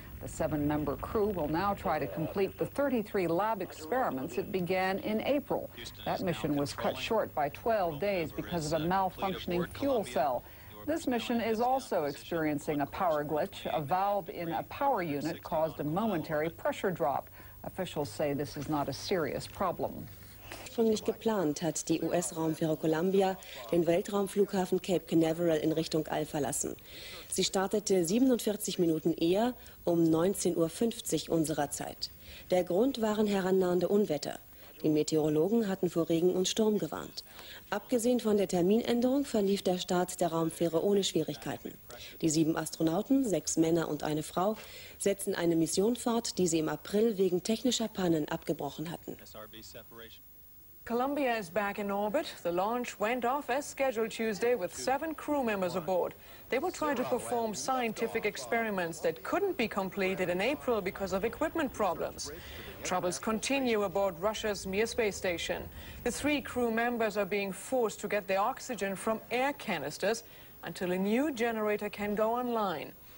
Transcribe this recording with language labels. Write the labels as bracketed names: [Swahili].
[English] The seven-member crew will now try to complete the 33 lab experiments it began in April. That mission was cut short by 12 days because of a malfunctioning fuel cell. This mission is also experiencing a power glitch. A valve in a power unit caused a momentary pressure drop. Officials say this is not a serious problem. [German] Ursprünglich geplant hat die US-Raumfähre Columbia den Weltraumflughafen Cape Canaveral in Richtung All verlassen. Sie startete 47 Minuten eher, um 19.50 Uhr unserer Zeit. Der Grund waren herannahende Unwetter. Die Meteorologen hatten vor Regen und Sturm gewarnt. Abgesehen von der Terminänderung verlief der Start der Raumfähre ohne Schwierigkeiten. Die sieben Astronauten, sechs Männer und eine Frau, setzten eine Mission fort, die sie im April wegen technischer Pannen abgebrochen hatten. [English] Columbia is back in orbit. The launch went off as scheduled Tuesday with seven crew members aboard. They were trying to perform scientific experiments that couldn't be completed in April because of equipment problems. Troubles continue aboard Russia's Mir space station. The three crew members are being forced to get the oxygen from air canisters until a new generator can go online.